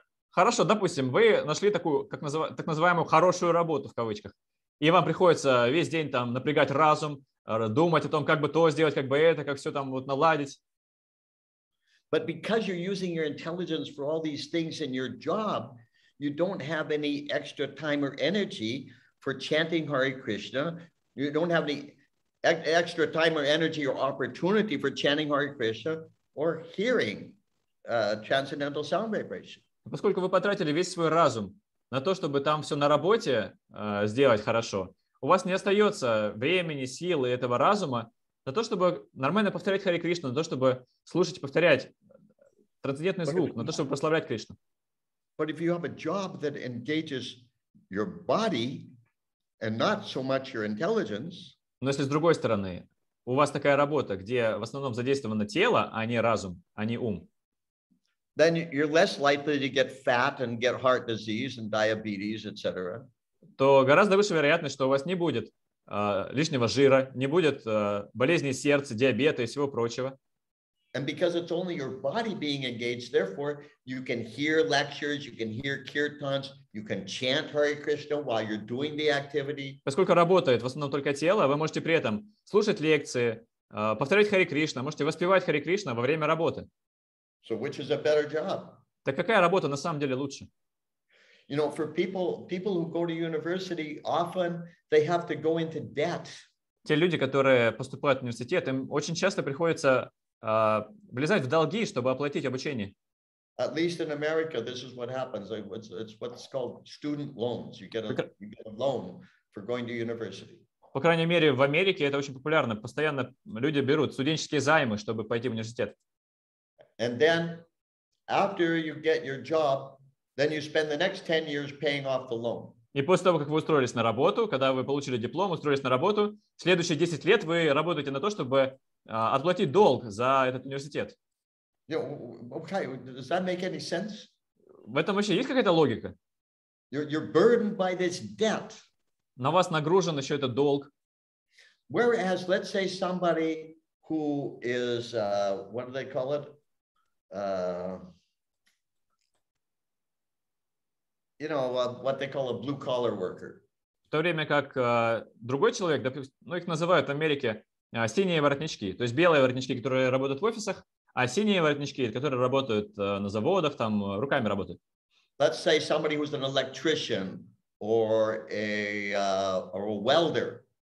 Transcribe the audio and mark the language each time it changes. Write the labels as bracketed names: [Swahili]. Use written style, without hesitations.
[Russian] Хорошо, допустим, вы нашли такую, так называемую хорошую работу в кавычках, и вам приходится весь день там напрягать разум, думать о том, как бы то сделать, как бы это, как все там вот наладить. [English] But because you're using your intelligence for all these things in your job, you don't have any extra time or energy for chanting Hare Krishna. You don't have any extra time or energy or opportunity for chanting Hare Krishna or hearing transcendental sound vibration. [Russian] Поскольку вы потратили весь свой разум на то, чтобы там все на работе сделать хорошо, у вас не остается времени, силы этого разума на то, чтобы нормально повторять Харе Кришну, на то, чтобы слушать и повторять трансцендентный звук, на то, чтобы прославлять Кришну. [English] But if you have a job that engages your body and not so much your intelligence. [Russian] Но если с другой стороны, у вас такая работа, где в основном задействовано тело, а не разум, а не ум. [English] Then you're less likely to get fat and get heart disease and diabetes, etc. [Russian] То гораздо выше вероятность, что у вас не будет лишнего жира, не будет болезней сердца, диабета и всего прочего. [English] And because it's only your body being engaged, therefore, you can hear lectures, you can hear kirtans, you can chant Hare Krishna while you're doing the activity. [Russian] Поскольку работает в основном только тело, вы можете при этом слушать лекции, повторять Hare Krishna, можете воспевать Hare Krishna во время работы. [English] So which is a better job? [Russian] Так какая работа на самом деле лучше? [English] You know, for people who go to university, often they have to go into debt. [Russian] Те люди, которые поступают в университет, им очень часто приходится влезать в долги, чтобы оплатить обучение. [English] At least in America, this is what happens. It's what's called student loans. You get a loan for going to university. [Russian] По крайней мере, в Америке это очень популярно. Постоянно люди берут студенческие займы, чтобы пойти в университет. [English] And then, after you get your job, then you spend the next 10 years paying off the loan. [Russian] И после того, как вы устроились на работу, когда вы получили диплом, устроились на работу, следующие 10 лет вы работаете на то, чтобы отплатить долг за этот университет. [English] Okay. Does that make any sense? [Russian] В этом вообще есть какая-то логика? [English] You're burdened by this debt. [Russian] На вас нагружен еще этот долг. [English] Whereas, let's say somebody who is, what do they call it? You know, what they call a blue-collar worker. [Russian] В то время как другой человек, ну, их называют в Америке синие воротнички, то есть белые воротнички, которые работают в офисах, а синие воротнички, которые работают на заводах, там руками работают. [English] Let's say somebody who's an electrician or a welder.